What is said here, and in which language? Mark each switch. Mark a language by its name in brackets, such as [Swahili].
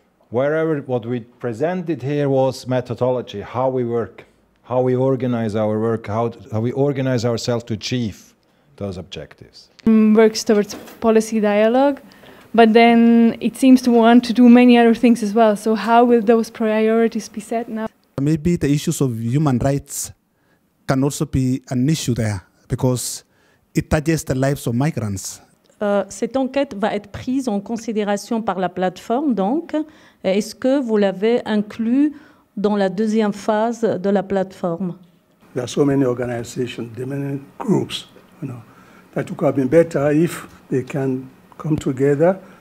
[English] Wherever what we presented here was methodology, how we work, how we organize our work, how we organize ourselves to achieve those objectives. Works towards policy dialogue, but then it seems to want to do many other things as well. So how will those priorities be set now? Maybe the issues of human rights can also be an issue there, because [French] étudier [English] the lives of migrants. [French] Cette enquête va être prise en considération par la plateforme, donc. Est-ce que vous l'avez inclus dans la deuxième phase de la plateforme? [English] There are so many organizations, many groups, you know, that it could have been better if they can come together